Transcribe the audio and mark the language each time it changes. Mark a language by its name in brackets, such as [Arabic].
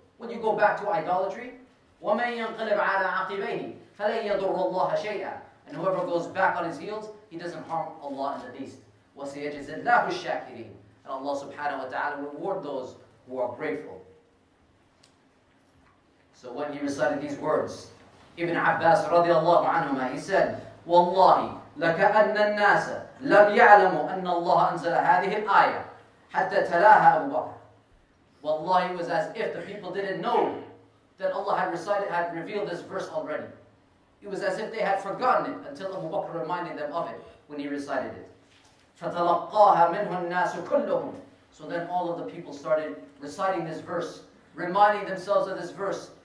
[English] Will you go back to idolatry? [Arabic] وَمَن يَنْقَلِبْ عَلَىٰ عَقِبَيْهِ فَلَن يَضُرُّ اللَّهَ شَيْئًا. [English] And whoever goes back on his heels, he doesn't harm Allah in the least. [Arabic] وَسَيَجْزِ اللَّهُ الشَّاكِرِينَ. [English] And Allah subhanahu wa ta'ala will reward those who are grateful. So when he recited these words, Ibn Abbas radiallahu anhuma, he said, [Arabic] وَاللَّهِ لَكَأَنَّ النَّاسَ لَمْ يَعْلَمُوا أَنَّ اللَّهَ أَنزَلَ هَذِهِ الْآيَةِ حَتَّى تَلَاهَا أَبُو بَكْرٍ. [English] Wallahi, it was as if the people didn't know that Allah had revealed this verse already. It was as if they had forgotten it until Abu Bakr reminded them of it when he recited it. [Arabic] فَتَلَقَّاهَا مِنْهُ النَّاسُ كُلُّهُمْ. [English] So then all of the people started reciting this verse, reminding themselves of this verse,